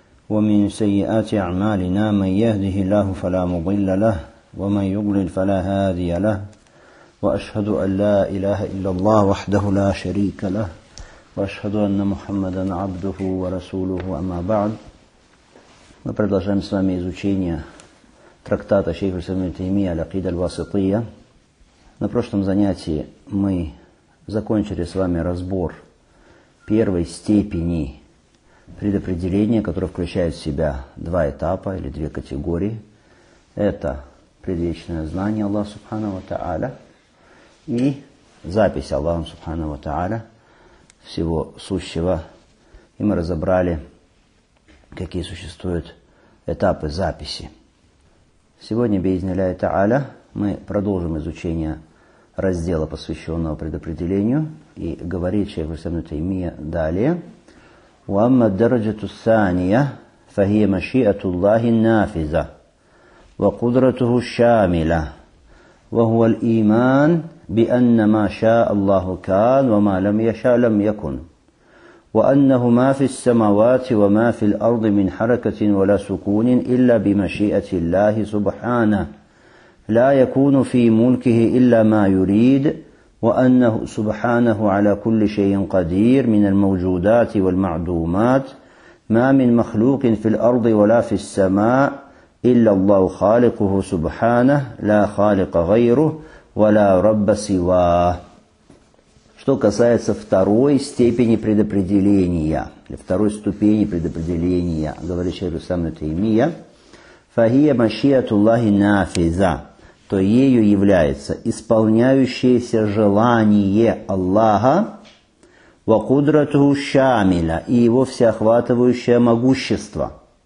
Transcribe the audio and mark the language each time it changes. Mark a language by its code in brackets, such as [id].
[ar] ومن سيئات أعمالنا من يهده الله فلا مضل له ومن يضلل فلا هادي له وأشهد أن لا إله إلا الله وحده لا شريك له وأشهد أن محمدا عبده ورسوله أما بعد ما [ru] продолжаем с вами изучение трактата [ar] شيخ الإسلام ابن تيمية العقيدة الواسطية. [ru] На прошлом занятии мы закончили с вами разбор первой степени предопределения, которая включает в себя два этапа или две категории. Это предвечное знание Аллаха Субхана ва Та'аля и запись Аллаха Субхана ва Та'аля всего сущего. И мы разобрали, какие существуют этапы записи. Сегодня, биизни Аллахи Та'аля, мы продолжим изучение раздела, посвященного предопределению, и говорит шейх ибн Таймия далее: [ar] «Уамма дараджату ссания, фахия машиату Аллахи нафиза, ва кудратуху шамила, ва хуа л-иман би анна ма ша Аллаху кан, ва ма лам яша лам якун, ва аннаху ма фи ссамавати, ва ма фи л-арди мин харакатин ва ла сукунин илля би машиати Аллахи субхана». لا يكون في ملكه إلا ما يريد وأنه سبحانه على كل شيء قدير من الموجودات والمعدومات ما من مخلوق في الأرض ولا في السماء إلا الله خالقه سبحانه لا خالق غيره ولا رب سواه. [ru] Что касается второй степени предопределения, или второй ступени предопределения, говорит шейх ислам ибн таймия, [ar] فهي مشيئة الله نافذة, [ru] то ею является исполняющееся желание Аллаха, [ar] ва кудратуху шамиля, [ru] и его всеохватывающее могущество.